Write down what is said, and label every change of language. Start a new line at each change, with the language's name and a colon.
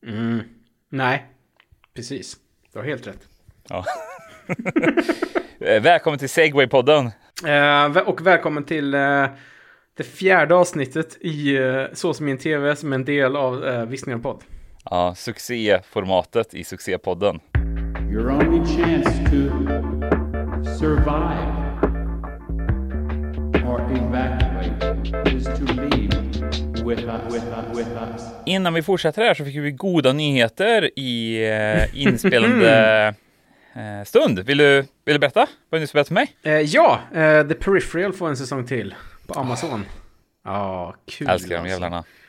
Swedish: Mm. Nej, precis. Du har helt rätt. Ja. Välkommen till Segway-podden. Och välkommen till det fjärde avsnittet i Så som min TV, som är en del av Visningar podd. Ja, succéformatet i succépodden.
English: Your only chance to survive or evacuate is to leave with us.
Swedish: Innan vi fortsätter här så fick vi goda nyheter i inspelande stund. Vill du berätta? Vad är det som berättar mig? The Peripheral får en säsong till på Amazon. Ja, kul. Älskar alltså. De jävlarna.